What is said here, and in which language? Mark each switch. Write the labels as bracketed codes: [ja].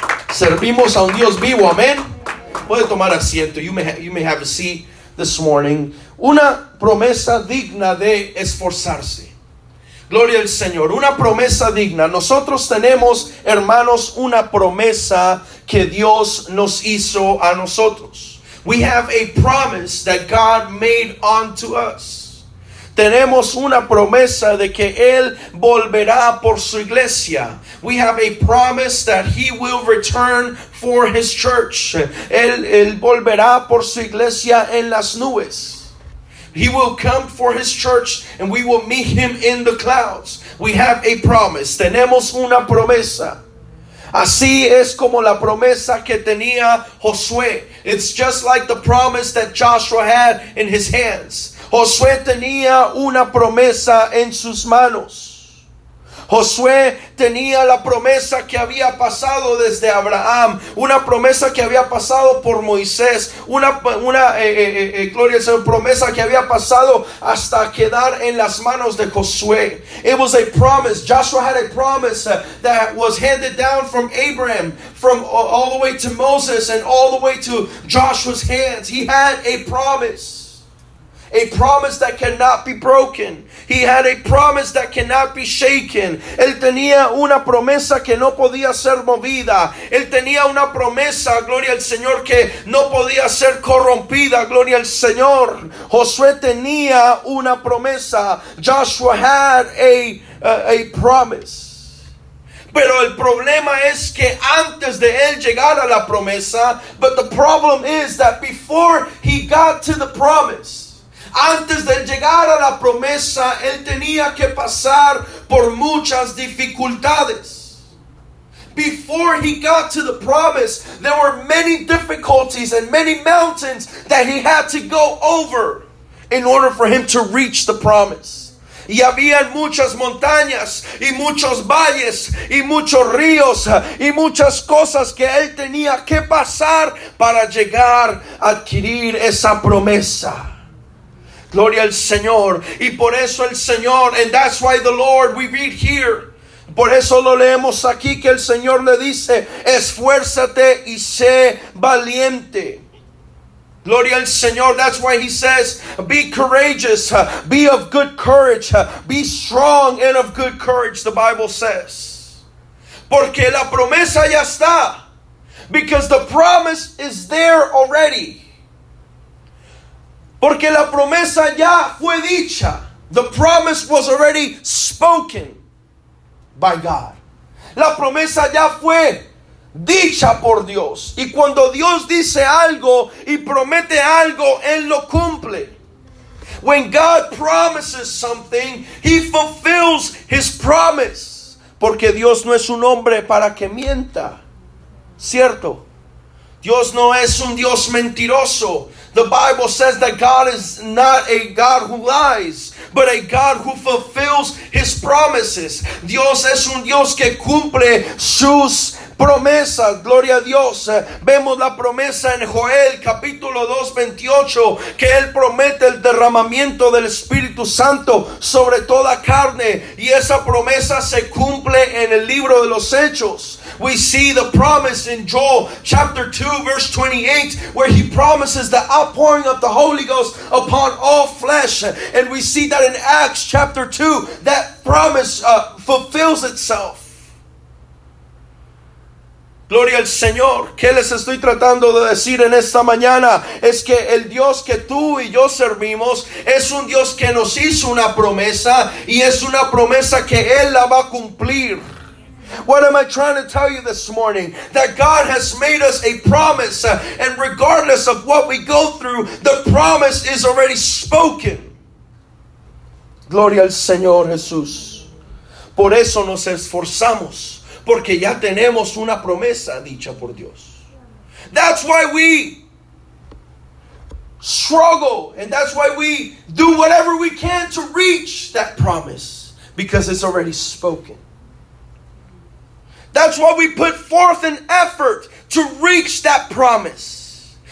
[es] Servimos a un Dios vivo. Amén. Puede tomar asiento. [en] You may have a seat this morning. [es] Una promesa digna de esforzarse. Gloria al Señor. Una promesa digna. Nosotros tenemos, hermanos, una promesa que Dios nos hizo a nosotros. [en] We have a promise that God made unto us. [es] Tenemos una promesa de que Él volverá por su iglesia. [en] We have a promise that He will return for His church. [es] Él volverá por su iglesia en las nubes. [en] He will come for His church and we will meet Him in the clouds. We have a promise. [es] Tenemos una promesa. Así es como la promesa que tenía Josué. [en] It's just like the promise that Joshua had in his hands. [es] Josué tenía una promesa en sus manos. Josué tenía la promesa que había pasado desde Abraham. Una promesa que había pasado por Moisés. Gloria al Señor, promesa que había pasado hasta quedar en las manos de Josué. [en] It was a promise. Joshua had a promise that was handed down from Abraham, from all the way to Moses and all the way to Joshua's hands. He had a promise. A promise that cannot be broken. He had a promise that cannot be shaken. [es] Él tenía una promesa que no podía ser movida. Él tenía una promesa, gloria al Señor, que no podía ser corrompida, gloria al Señor. Josué tenía una promesa. [en] Joshua had a promise. [es] Pero el problema es que antes de él llegar a la promesa, [en] but the problem is that before he got to the promise, [es] antes de llegar a la promesa, él tenía que pasar por muchas dificultades. [en] Before he got to the promise, there were many difficulties and many mountains that he had to go over in order for him to reach the promise. [es] Y había muchas montañas y muchos valles y muchos ríos y muchas cosas que él tenía que pasar para llegar a adquirir esa promesa. Gloria al Señor. Y por eso el Señor, [en] and that's why the Lord, we read here. [es] Por eso lo leemos aquí que el Señor le dice, esfuérzate y sé valiente. Gloria al Señor. [en] That's why he says, be courageous, be of good courage, be strong and of good courage, the Bible says. [es] Porque la promesa ya está. [en] Because the promise is there already. [es] Porque la promesa ya fue dicha. [en] The promise was already spoken by God. [es] La promesa ya fue dicha por Dios. Y cuando Dios dice algo y promete algo, Él lo cumple. [en] When God promises something, He fulfills His promise. [es] Porque Dios no es un hombre para que mienta. ¿Cierto? Dios no es un Dios mentiroso. [en] The Bible says that God is not a God who lies, but a God who fulfills His promises. [es] Dios es un Dios que cumple sus promesas. Gloria a Dios. Vemos la promesa en Joel capítulo 2, 28, que Él promete el derramamiento del Espíritu Santo sobre toda carne. Y esa promesa se cumple en el libro de los Hechos. [en] We see the promise in Joel chapter 2 verse 28 where he promises the outpouring of the Holy Ghost upon all flesh. And we see that in Acts chapter 2 that promise fulfills itself. [es] Gloria al Señor. ¿Qué les estoy tratando de decir en esta mañana? Es que el Dios que tú y yo servimos es un Dios que nos hizo una promesa y es una promesa que Él la va a cumplir. [en] What am I trying to tell you this morning? That God has made us a promise, and regardless of what we go through, the promise is already spoken. [es] Gloria al Señor Jesús. Por eso nos esforzamos, porque ya tenemos una promesa dicha por Dios. [en] That's why we struggle, and that's why we do whatever we can to reach that promise, because it's already spoken. That's why we put forth an effort to reach that promise.